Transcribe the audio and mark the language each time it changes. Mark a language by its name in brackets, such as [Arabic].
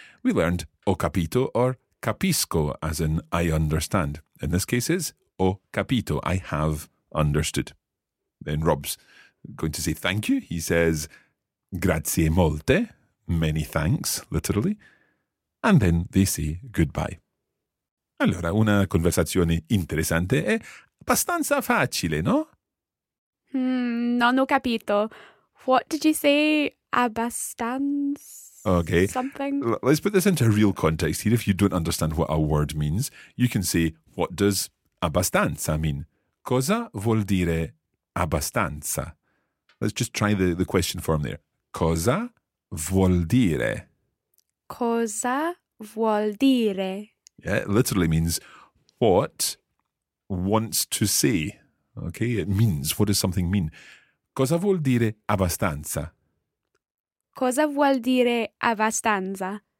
[English] We learned [Italian] ho capito [English] or [Italian] capisco, [English] as in I understand. In this case is [Italian] ho capito, [English] I have understood. Then Rob's going to say thank you. He says [Italian] grazie molte, [English] many thanks, literally. And then they say goodbye. [Italian] Allora, una conversazione interessante è abbastanza facile, no? Non ho capito. [English] What did you say? [Italian] Abbastanza? [English] Okay. Something? Let's put this into a real context here. If you don't understand what a word means, you can say, what does abbastanza mean? [Italian] Cosa vuol dire abbastanza? [English] Let's just try the question form there. [Italian] Cosa vuol dire? Cosa vuol dire? [English] Yeah, it literally means what wants to say. Okay, it means, what does something mean? [Italian] Cosa vuol dire abbastanza? Cosa vuol dire abbastanza?